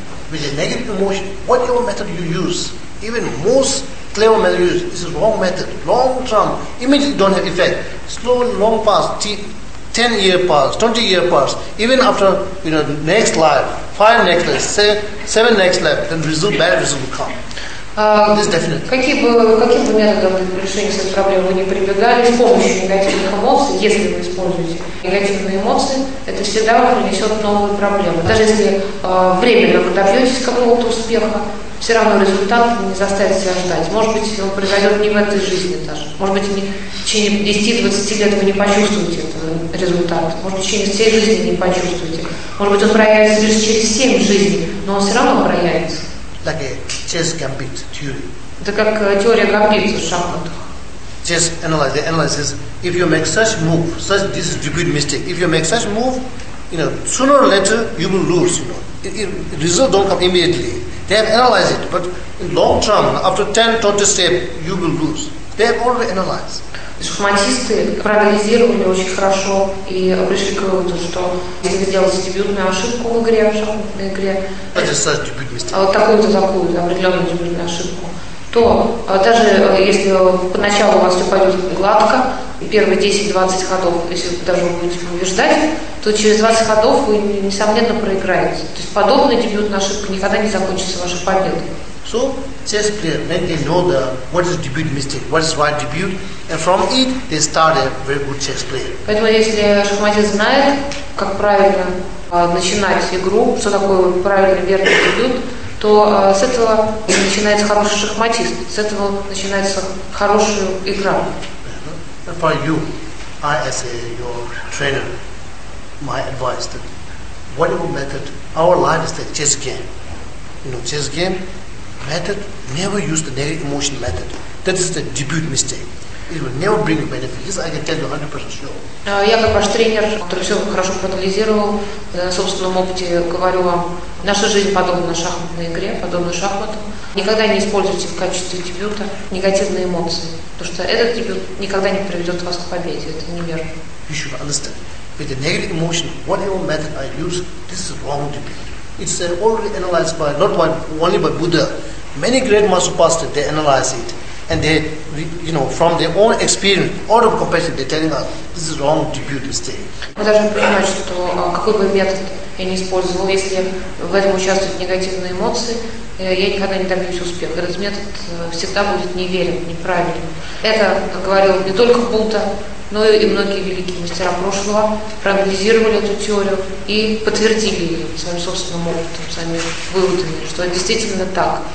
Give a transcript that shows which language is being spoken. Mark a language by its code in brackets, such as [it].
[en] with a negative emotion, what your method you use, even most clever method you use, is a wrong method. Long term, immediately don't have effect. Slow, long pass, 10 year pass, 20 year pass, even after, you know, next life, 5 next life, 7 next life, then result, bad result will come. This is definite. [ru] Каким бы методом решения этой проблемы вы не прибегали, с помощью негативных эмоций, если вы используете негативные эмоции, это всегда принесет новые проблемы. Даже если временно вы добьетесь какого-то успеха, все равно результат не заставит себя ждать. Может быть, он произойдет не в этой жизни даже. Может быть, не, в течение 10-20 лет вы не почувствуете этот результат. Может быть, в течение всей жизни не почувствуете. Может быть, он проявится лишь через 7 жизней, но он все равно проявится. [en] Like a chess gambit theory. [ru] Это как теория гамбита в шахматах. [en] Chess analyze. The analyze is if you make such move, such this is a good mistake. If you make such move, you know sooner or later you will lose. You know, results don't come immediately. They have analyzed it, but in long term, after 10-20 steps, you will lose. They have already analyzed. [ru] Шахматисты проанализировали очень хорошо и пришли к выводу, что если делать дебютную ошибку в игре, в шахматной игре, такую определенную дебютную ошибку, то даже если поначалу у вас все пойдет гладко, первые 10-20 ходов, если вы даже будете побеждать, то через 20 ходов вы, несомненно, проиграете. То есть подобная дебютная ошибка никогда не закончится вашей победой. [en] So, chess players, when they know the what is debut mistake, what is right debut, and from it they start a very good chess player. [ru] Поэтому если шахматист знает, как правильно начинать игру, что такое правильный верный дебют, то с этого начинается хороший шахматист, с этого начинается хорошая игра. [en] And for you, I as your trainer, my advice that whatever method, our life is the chess game. You know, chess game. Method, never use the negative emotion method. That is the debut mistake. It will never bring benefit. This I can tell you 100% sure. [ru] Я как ваш тренер, который все хорошо проанализировал, на собственном опыте говорю вам, наша жизнь подобна шахматной игре, подобна шахматам. Никогда не используйте в качестве дебюта негативные эмоции, потому что этот дебют никогда не приведет вас к победе. Это неверно. [en] You should understand. With the negative emotion, whatever method I use, this is wrong debut. It's already analyzed by, not by, only by Buddha. Many great masters passed it, they analyze it. And they, you know, from their own experience, out of compassion, they're telling us, this is wrong debut mistake. [ru] Мы должны понимать, что какой бы метод я ни использовал, если в этом участвуют негативные эмоции, я никогда не добьюсь успеха. Этот метод всегда будет неверен, неправильным. Это говорил не только Будда, но и многие великие мастера прошлого проанализировали эту теорию и подтвердили ее своим собственным опытом, своими выводами, что это действительно так.